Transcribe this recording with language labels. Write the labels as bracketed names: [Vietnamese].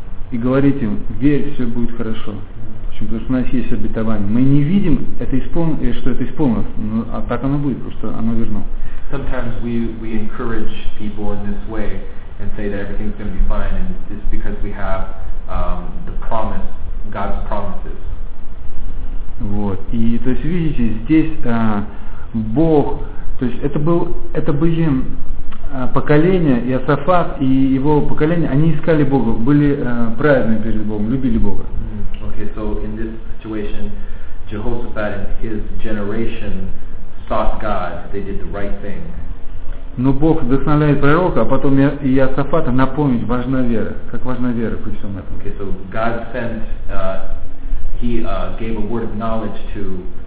[Russian] и говорить им, верь, все будет хорошо. Почему? Потому что у нас есть обетование. Мы не видим, это что это исполнилось, но а так оно будет, просто оно верно. [English] Sometimes we encourage people in this way and say that everything's going to be fine, and it's because we have the promise, God's promises. [Russian] Вот. И то есть видите, здесь Бог, то есть это были поколение, и Иосафат, и его поколение, они искали Бога, были праведны перед Богом, любили Бога. [English] Okay, so in this situation, Jehoshaphat and his generation sought God, they did the right thing. [Russian] Но Бог вдохновляет пророка, а потом и Иосафата напомнить, важна вера, как важна вера при всем этом. [English] Okay, so God sent, he gave a word of knowledge to